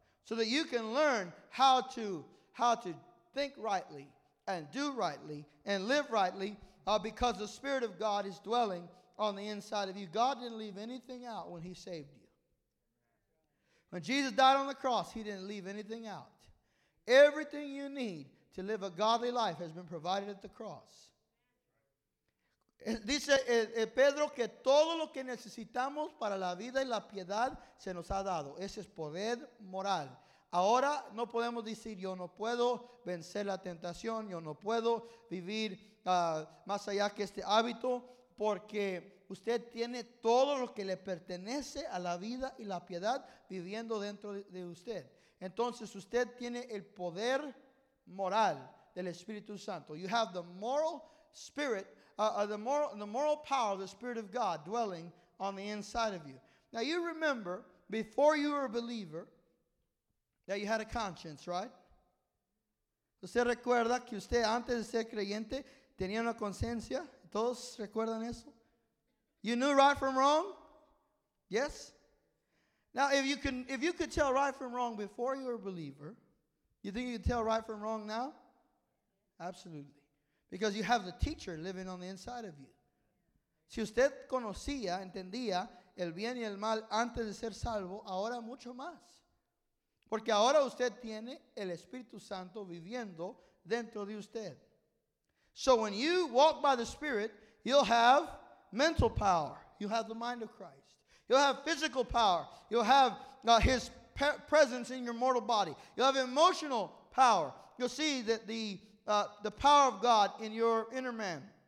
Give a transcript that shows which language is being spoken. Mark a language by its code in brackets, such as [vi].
[en] So that you can learn how to think rightly and do rightly and live rightly because the Spirit of God is dwelling on the inside of you. God didn't leave anything out when He saved you. When Jesus died on the cross, He didn't leave anything out. Everything you need to live a godly life has been provided at the cross. [es] Dice Pedro que todo lo que necesitamos para la vida y la piedad se nos ha dado. Ese es poder moral. Ahora no podemos decir yo no puedo vencer la tentación, yo no puedo vivir más allá que este hábito, porque usted tiene todo lo que le pertenece a la vida y la piedad viviendo dentro de usted. Entonces, usted tiene el poder moral del Espíritu Santo. [en] You have the moral spirit, the moral power of the Spirit of God dwelling on the inside of you. Now, you remember, before you were a believer, that you had a conscience, right? [es] ¿Usted recuerda que usted, antes de ser creyente, tenía una conciencia? ¿Todos recuerdan eso? [en] You knew right from wrong? Yes? Now, if you could tell right from wrong before you were a believer, you think you could tell right from wrong now? Absolutely. Because you have the teacher living on the inside of you. [es] Si usted conocía, entendía el bien y el mal antes de ser salvo, ahora mucho más. Porque ahora usted tiene el Espíritu Santo viviendo dentro de usted. [en] So when you walk by the Spirit, you'll have mental power. You have the mind of Christ. You'll have physical power. You'll have His presence in your mortal body. You'll have emotional power. You'll see that the power of God in your inner man.